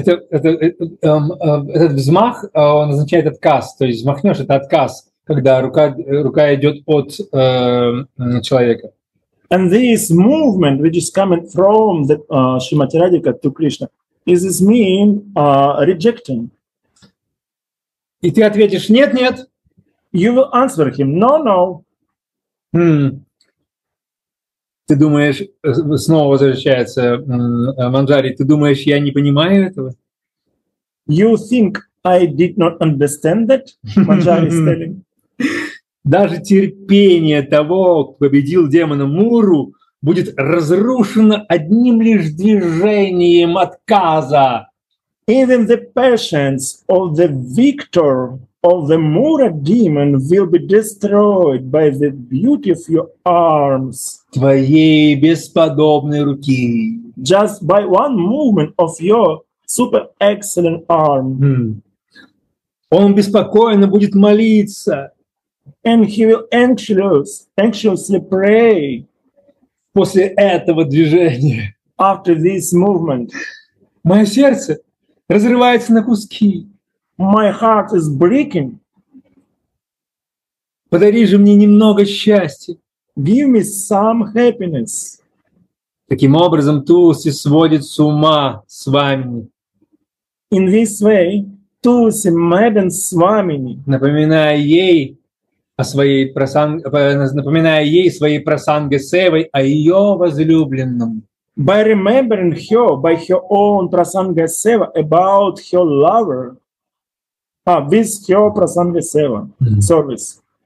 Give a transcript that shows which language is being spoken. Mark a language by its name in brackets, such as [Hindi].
[Russian] Этот взмах, он означает отказ. То есть взмахнешь — это отказ, когда рука идет от человека. [English] And this movement, which is coming from the Shrimati Radhika to Krishna, is this mean rejecting? [Russian] И ты ответишь: нет, нет. [English] You will answer him: no, no. [Russian] Ты думаешь, снова возвращается Манджари, ты думаешь, я не понимаю этого? [English] You think I did not understand that? Манджари is telling. [Russian] Даже терпение того, кто победил демона Муру, будет разрушено одним лишь движением отказа. [English] Even the patience of the victor of the Mura demon will be destroyed by the beauty of your arms. [Russian] Твоей бесподобной руки. [English] Just by one movement of your super excellent arm. [Russian] Он беспокойно будет молиться. [English] And he will anxiously pray. [Russian] После этого движения. [English] After this movement. [Russian] Мое сердце разрывается на куски. [English] My heart is breaking. [Russian] Подари же мне немного счастья. [English] Give me some happiness. [Russian] Таким образом, Туси сводит с ума с вами. [English] In this way, Tulsi maddens Swamini. [Russian] Напоминая ей, о своей просанге, напоминая ей своей просанге Севой, о ее возлюбленном. [English] By remembering her, by her own prasanga seva, about her lover, with her prasanga seva service.